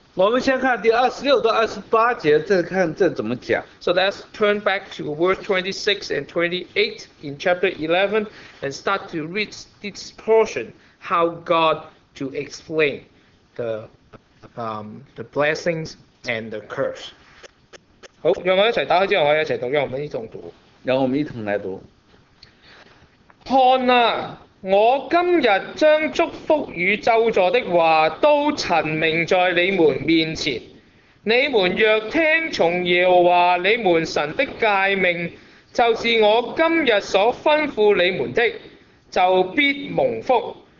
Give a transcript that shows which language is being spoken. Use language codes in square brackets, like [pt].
[zh] 我们先看第26到28节，再看这怎么讲。 [en] So let's turn back to verse 26 and 28 in chapter 11 and start to read this portion, how God to explain the blessings and the curse. [zh] 好，让我一齐打开之后，我一齐读，让我们一同读。让我们一同来读。看啊，我今日将祝福与咒诅的话都陈明在你们面前。你们若听从耶和华你们神的诫命，就是我今日所吩咐你们的，就必蒙福。